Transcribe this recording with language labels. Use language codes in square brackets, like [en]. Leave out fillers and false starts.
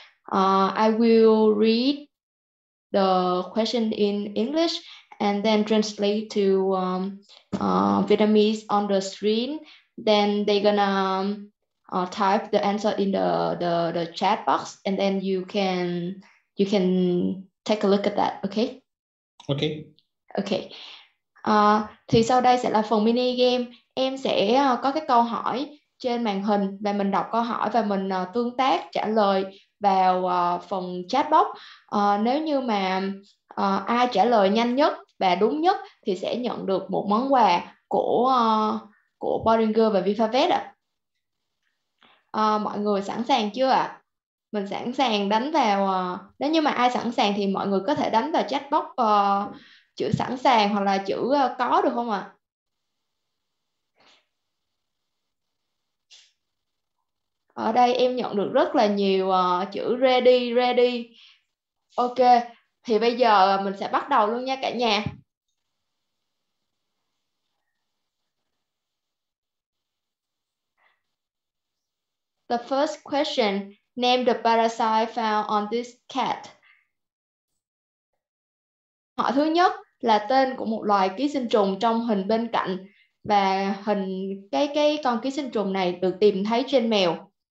[en] I will read the question in English and then translate to Vietnamese on the screen. Then they're gonna type the answer in the chat box, and then you can take a look at that. Okay. Okay. Okay. [vi] Thì sau đây sẽ là phần mini game. Em sẽ có cái câu hỏi trên màn hình và mình đọc câu hỏi và mình tương tác trả lời vào phần chat box. Nếu như mà ai trả lời nhanh nhất và đúng nhất thì sẽ nhận được một món quà của Boringer và VivaVet ạ. Mọi người sẵn sàng chưa ạ? Mình sẵn sàng đánh vào nếu như mà ai sẵn sàng thì mọi người có thể đánh vào chat box chữ sẵn sàng hoặc là chữ có được không ạ? Ở đây em nhận được rất là nhiều chữ [en] ready, ready. [vi] Ok, thì bây giờ mình sẽ bắt đầu luôn nha cả nhà. [en] The first question, name the parasite found on this cat. [vi] Hỏi thứ nhất là tên của một loài ký sinh trùng trong hình bên cạnh và hình cái con ký sinh trùng này được tìm thấy trên mèo.